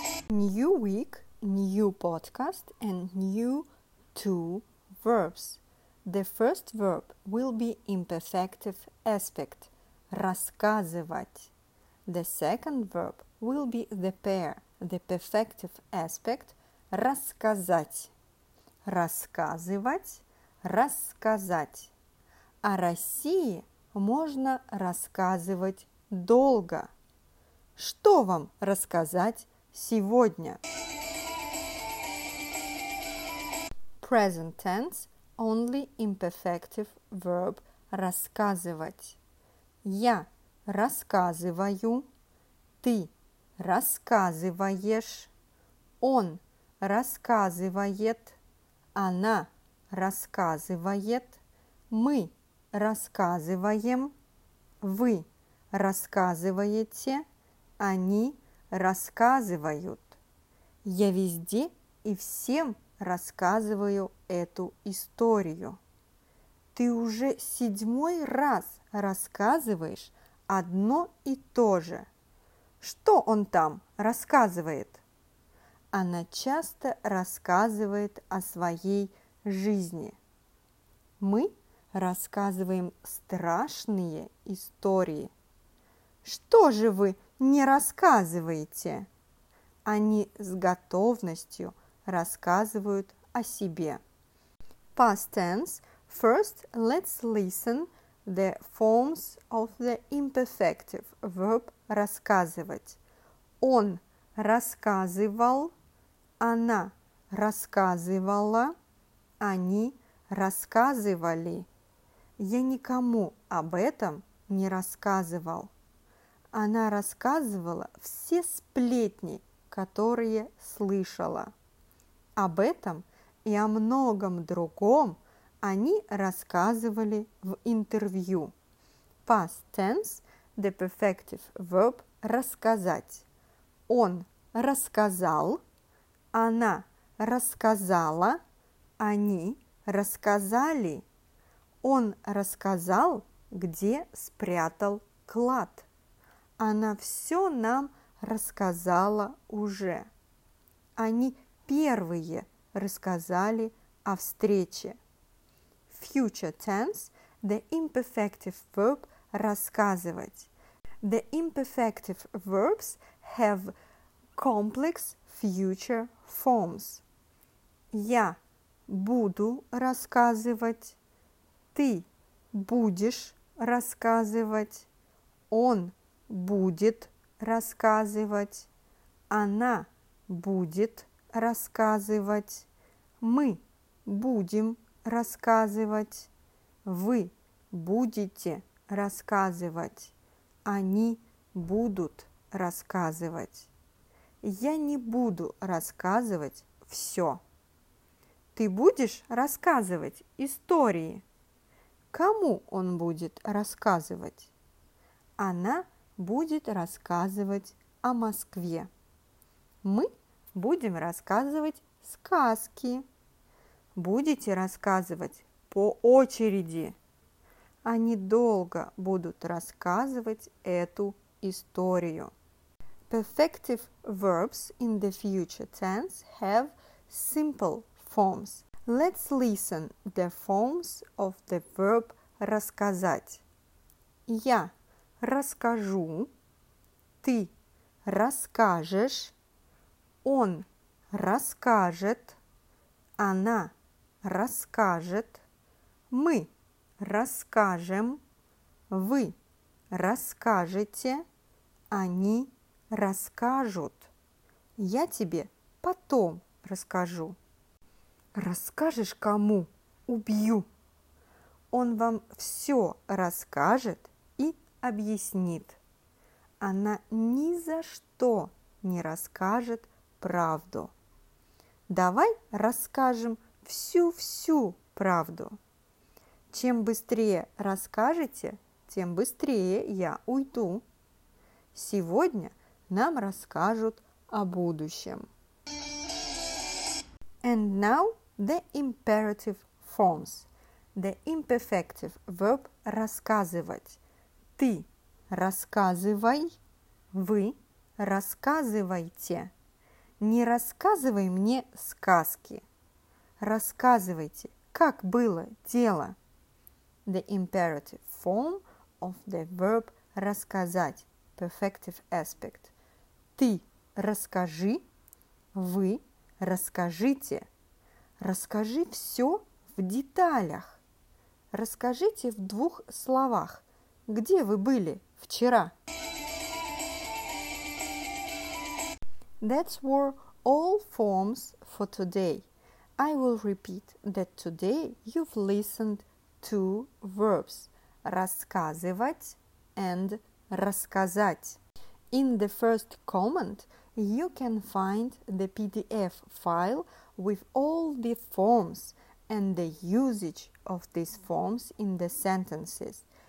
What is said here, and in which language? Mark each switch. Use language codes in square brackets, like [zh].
[en] New week, new podcast and new two verbs. The first verb will be imperfective aspect – рассказывать. The second verb will be the pair, the perfective aspect – рассказать. [ru] Рассказывать – рассказать. О России можно рассказывать долго. Что вам рассказать сегодня? [en] Present tense – only imperfective verb «рассказывать». [ru] Я рассказываю, ты рассказываешь, он рассказывает, она рассказывает, мы рассказываем, вы рассказываете, они рассказывают. Я везде и всем рассказываю эту историю. Ты уже седьмой раз рассказываешь одно и то же. Что он там рассказывает? Она часто рассказывает о своей жизни. Мы рассказываем страшные истории. Что же вы не рассказываете? Они с готовностью рассказывают о себе. [en] Past tense. First, let's listen the forms of the imperfective verb рассказывать. [ru] Он рассказывал, она рассказывала, они рассказывали. Я никому об этом не рассказывал. Она рассказывала все сплетни, которые слышала. Об этом и о многом другом они рассказывали в интервью. [en] Past tense – the perfective verb «рассказать». [ru] Он рассказал, она рассказала, они рассказали. Он рассказал, где спрятал клад. Она все нам рассказала уже. Они первые рассказали о встрече. [en] Future tense – the imperfective verb «рассказывать». The imperfective verbs have complex future forms. [ru] Я буду рассказывать, ты будешь рассказывать, он будет рассказывать, она будет рассказывать, мы будем рассказывать, вы будете рассказывать, они будут рассказывать. Я не буду рассказывать все. Ты будешь рассказывать истории? Кому он будет рассказывать? Она будет рассказывать о Москве. Мы будем рассказывать сказки. Будете рассказывать по очереди. Они долго будут рассказывать эту историю. [en] Perfective verbs in the future tense have simple forms. Let's listen the forms of the verb рассказать. [ru] Я расскажу, ты расскажешь, он расскажет, она расскажет, мы расскажем, вы расскажете, они расскажут. Я тебе потом расскажу. Расскажешь кому? Убью. Он вам все расскажет и объяснит. Она ни за что не расскажет правду. Давай расскажем всю-всю правду. Чем быстрее расскажете, тем быстрее я уйду. Сегодня нам расскажут о будущем. [en] And now the imperative forms. The imperfective verb рассказывать. [ru] Ты рассказывай, вы рассказывайте. Не рассказывай мне сказки. Рассказывайте, как было дело. [en] The imperative form of the verb рассказать. Perfective aspect. [ru] Ты расскажи, вы расскажите. Расскажи все в деталях. Расскажите в двух словах, где вы были вчера. [en] That were all forms for today. I will repeat that today you've listened to verbs рассказывать and рассказать. In the first comment, you can find the PDF file with all the forms and the usage of these forms in the sentences.